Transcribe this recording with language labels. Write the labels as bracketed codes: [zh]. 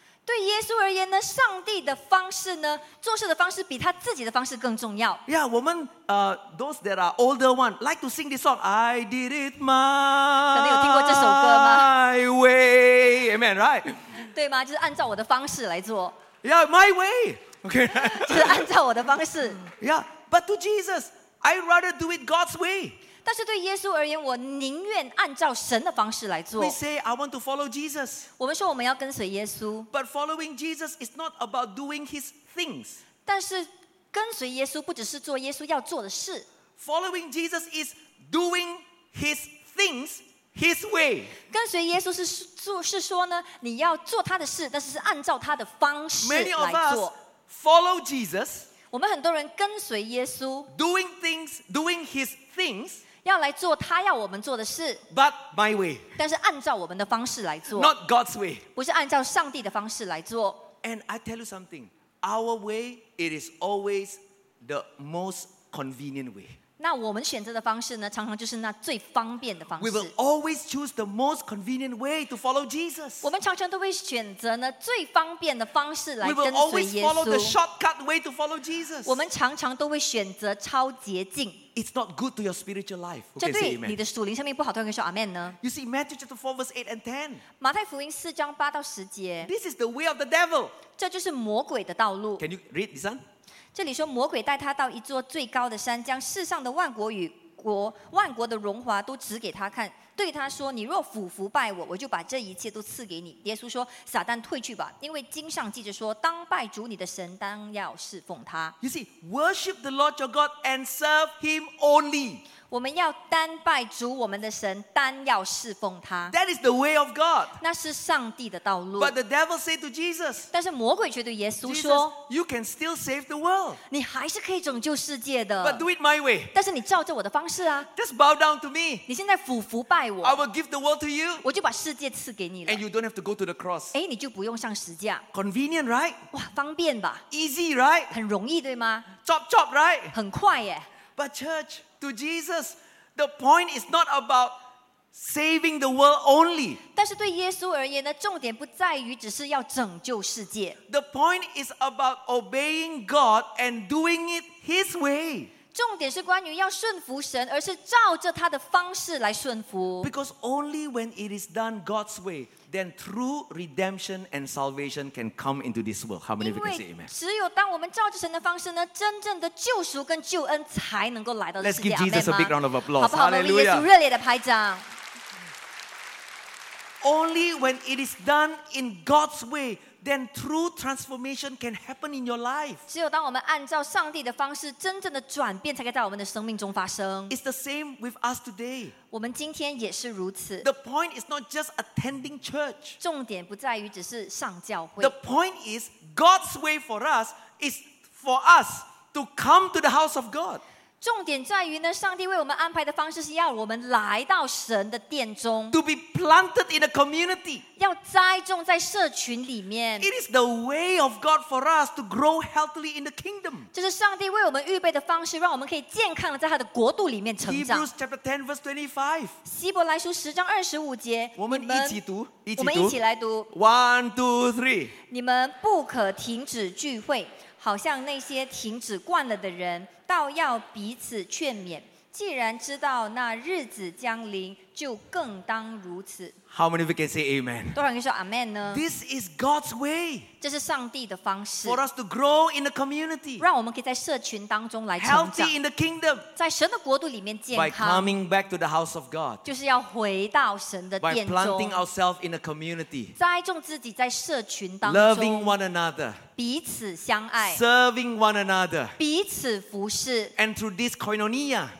[zh] 对耶稣而言呢，上帝的方式呢，做事的方式比他自己的方式更重要。 [en] Yeah, [zh] 我们 [en] those that are older one like to sing this song. I did it my way. [zh] 可能有听过这首歌吗 [en] ？My way, amen, right? [zh] 对吗？就是按照我的方式来做。 [en] Yeah, my way. Okay. [zh] 就是按照我的方式。 [en] Yeah, but to Jesus, I'd rather do it God's way. [zh] 但是对耶稣而言，我宁愿按照神的方式来做。 [en] We say I want to follow Jesus. [zh] 我们说我们要跟随耶稣。 [en] But following Jesus is not about doing his things. [zh] 但是跟随耶稣不只是做耶稣要做的事。 [en] Following Jesus is doing his things His way. [zh] 跟随耶稣 是说呢，你要做他的事，但是是按照他的方式来做。 [en] Many of us follow Jesus. [zh] 我们很多人跟随耶稣 [en] ，doing things, doing His things. [zh] 要来做他要我们做的事 [en] ，but my way. [zh] 但是按照我们的方式来做 [en] ，not God's way. [zh] 不是按照上帝的方式来做。 [en] And I tell you something, our way it is always the most convenient way. [zh] 那我们选择的方式呢，常常就是那最方便的方式。 [en] We will always choose the most convenient way to follow Jesus. [zh] 我们常常都会选择呢最方便的方式来跟随耶稣。 [en] We will always follow the shortcut way to follow Jesus. [zh] 我们常常都会选择超捷径。 [en] It's not good to your spiritual life. [zh] 这对你的属灵生命不好，都可以说 Amen 呢。 [en] You see Matthew chapter 4 verse 8 and 10. [zh] 马太福音四章八到十节。 [en] This is the way of the devil. [zh] 这就是魔鬼的道路。 [en] Can you read this one? [zh] 这里说魔鬼带他到一座最高的山，将世上的万国与国万国的荣华都指给他看，对他说，你若俯伏拜我，我就把这一切都赐给你。耶稣说，撒旦退去吧，因为经上记着说，当拜主你的神，当要侍奉他。 [en] You see, worship the Lord your God and serve him only. [zh] 我们要单拜主我们的神，单要侍奉他。 [en] That is the way of God. [zh] 那是上帝的道路。 [en] But the devil said to Jesus, [zh] 但是魔鬼却对耶稣说， [en] Jesus, you can still save the world. [zh] 你还是可以拯救世界的。 [en] But do it my way. [zh] 但是你照着我的方式啊。 [en] Just bow down to me. [zh] 你现在俯伏拜我。 [en] I will give the world to you. [zh] 我就把世界赐给你了。 [en] And you don't have to go to the cross. [zh] 哎，你就不用上十字架。 [en] Convenient, right? [zh] 哇，方便吧。 [en] Easy, right? [zh] 很容易，对吗 [en] ？Chop, chop, right? [zh] 很快耶。 [en] But church, to Jesus, the point is not about saving the world only. [zh] 但是对耶稣而言呢，重点不在于只是要拯救世界。 [en] The point is about obeying God and doing it His way. [zh] 重点是关于要顺服神，而是照着他的方式来顺服。 [en] Because only when it is done God's way, then true redemption and salvation can come into this world. How many of you can say amen? [zh] 只有当我们照着神的方式呢，真正的救赎跟救恩才能够来到这世界。 [en] Let's give Jesus a big round of applause. [zh] 好不好？我们为耶稣热烈的拍掌。 [en] Only when it is done in God's way. Then true transformation can happen in your life. [zh] 只有当我们按照上帝的方式，真正的转变才可以在我们的生命中发生。 [en] It's the same with us today. [zh] 我们今天也是如此。 [en] The point is not just attending church. [zh] 重点不在于只是上教会。 [en] The point is God's way for us is for us to come to the house of God. [zh] 重点在于呢，上帝为我们安排的方式是要我们来到神的殿中 [en] ，to be planted in a community， [zh] 要栽种在社群里面。 [en] It is the way of God for us to grow healthily in the kingdom。 [zh] 这是上帝为我们预备的方式，让我们可以健康的在他的国度里面成长。 [en] Hebrews chapter 10 verse 25。 [zh] 希伯来书十章二十五节，我们一起读，我们一起来读。 [en] One, two, three。 [zh] 你们不可停止聚会，好像那些停止惯了的人。倒要彼此劝勉，既然知道那日子将临，就更当如此。 [en] How many of you can say amen? [zh] 多少人说 amen 呢？ [en] This is God's way. [zh] 这是上帝的方式。 [en] For us to grow in the community. [zh] 让我们可以在社群当中来成长。 [en] Healthy in the kingdom. [zh] 在神的国度里面健康。 [en] By coming back to the house of God. [zh] 就是要回到神的殿中。 [en] By planting ourselves in the community. [zh] 栽种自己在社群当中。 [en] Loving one another. [zh] 彼此相爱。 [en] Serving one another. [zh] 彼此服侍。 [en] And through this koinonia.